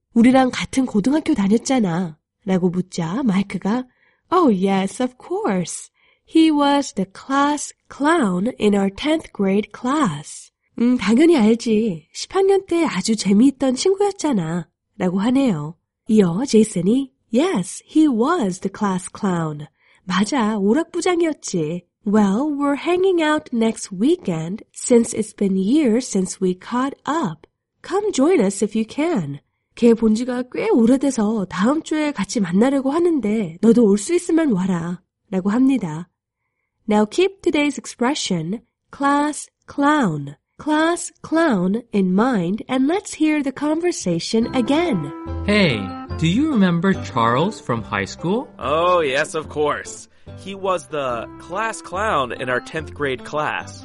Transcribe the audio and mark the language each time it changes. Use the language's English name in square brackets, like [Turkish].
[Korean] 우리랑 같은 고등학교 다녔잖아. 라고 묻자 마이크가 [English] Oh, yes, of course. He was the class clown in our 10th grade class. [Korean] 당연히 알지. 10학년 때 아주 재미있던 친구였잖아. 라고 하네요. 이어 제이슨이 [English] Yes, he was the class clown. [Korean] 맞아, 오락부장이었지. [English] Well, we're hanging out next weekend since it's been years since we caught up. Come join us if you can. [Korean] 걔 본 지가 꽤 오래돼서 다음 주에 같이 만나려고 하는데 너도 올 수 있으면 와라 라고 합니다. [English] Now keep today's expression class clown. Class clown in mind and let's hear the conversation again. Hey, do you remember Charles from high school? Oh, yes, of course. He was the class clown in our 10th grade class.